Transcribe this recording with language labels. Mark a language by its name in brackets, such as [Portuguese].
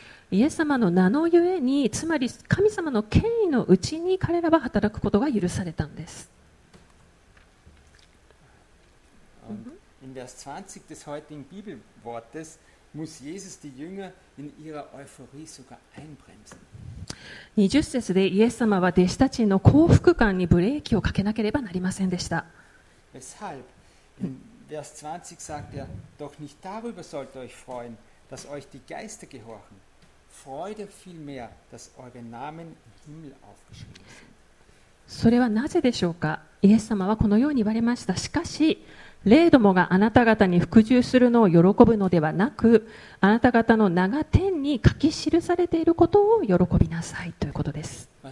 [Japanese] イエス様の名のゆえに、つまり神様の権威のうちに彼らは働くことが許されたんです。 [German] In Vers 20 des heutigen Bibelwortes muss Jesus die Jünger in ihrer Euphorie sogar einbremsen. [Japanese] 20節でイエス様は弟子たちの幸福感にブレーキをかけなければなりませんでした。 [German] Weshalb? In Vers 20 sagt er, doch nicht darüber sollt euch freuen, dass euch die Geister gehorchen. Freude vielmehr, dass eure Namen im Himmel aufgeschrieben sind. [Japanese] それはなぜでしょうか。イエス様はこのように言われました。しかし霊どもがあなた方に服従するのを喜ぶのではなく、あなた方の名が天に書き記されていることを喜びなさいということです。